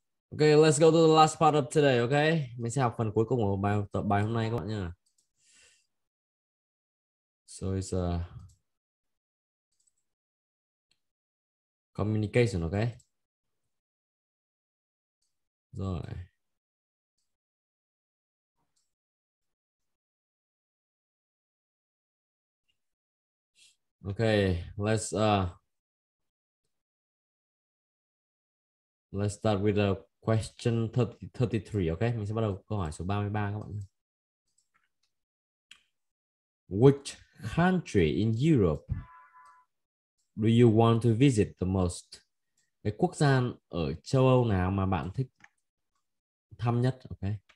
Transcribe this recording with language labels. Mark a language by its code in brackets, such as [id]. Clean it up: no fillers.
[en] Ok, let's go to the last part of today, ok? [vi] Mình sẽ học phần cuối cùng của bài hôm nay các bạn nha. [en] Communication, ok? [vi] Rồi. [en] Ok, let's start with the question 33, ok? [vi] Mình sẽ bắt đầu câu hỏi số 33 các bạn. [en] Which country in Europe do you want to visit the most? [vi] Cái quốc gia ở châu Âu nào mà bạn thích thăm nhất, ok?